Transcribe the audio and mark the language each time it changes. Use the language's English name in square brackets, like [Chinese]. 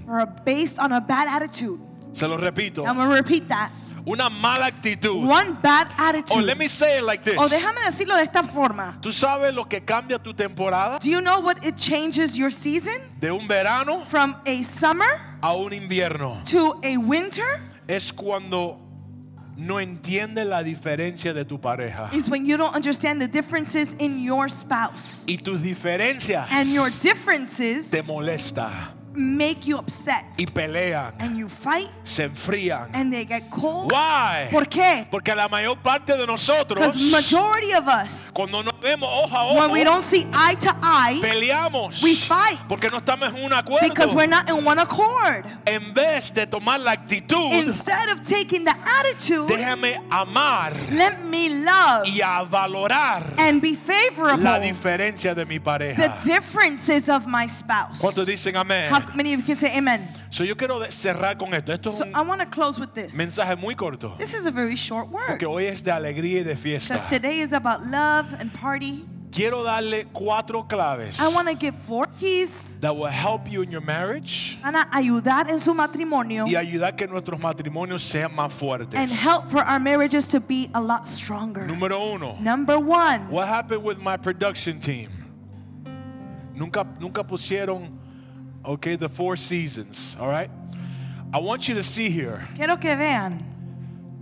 [English] or based on a bad attitude. [Spanish] Se lo repito. [English] I'm gonna repeat that. [Spanish] Una mala actitud. [English] One bad attitude. Or let me say it like this. [Spanish] O déjame decirlo de esta forma. ¿Tú sabes lo que cambia tu temporada? [English] Do you know what it changes your season? [Spanish] De un verano, [English] from a summer, [Spanish] a un invierno, [English] to a winter, [Spanish] es cuando no entiende la diferencia de tu pareja. [English] Is when you don't understand the differences in your spouse. [Spanish] Y tus diferencias, [English] and your differences, [Spanish] te molesta, [English] make you upset, [Spanish] y pelean, [English] and you fight, [Spanish] se enfrían, [English] and they get cold. Why? [Spanish] ¿Por qué? Porque la mayor parte de nosotros, [English] because majority of us, [Spanish] cuando nos vemos ojo a ojo, [English] when we don't see eye to eye, [Spanish] peleamos, [English] we fight, [Spanish] porque no estamos en un acuerdo, [English] because we're not in one accord. [Spanish] En vez de tomar la actitud, [English] instead of taking the attitude, [Spanish] déjame amar, [English] let me love, [Spanish] y a valorar, [English] and be favorable, [Spanish] la diferencia de mi pareja, [English] the differences of my spouse. [Spanish] ¿Cuántos dicen amén? [English] How many of you can say amen? [Spanish] So yo quiero cerrar con esto. Esto es so un [English] I want to close with this. [Spanish] Mensaje muy corto. [English] This is a very short word. [Spanish] Porque hoy es de alegría y de fiesta. [English] Because today is about love and party. [Spanish] Quiero darle cuatro claves. [English] I want to give four keys that will help you in your marriage. [Spanish] Van a ayudar en su matrimonio. Y ayudar que nuestros matrimonios sean más fuertes. [English] And help for our marriages to be a lot stronger. [Spanish] Número uno. [English] Number one. What happened with my production team? [Spanish] Nunca pusieron. [English] Okay, the four seasons, all right? I want you to see here. [Spanish] Quiero que vean.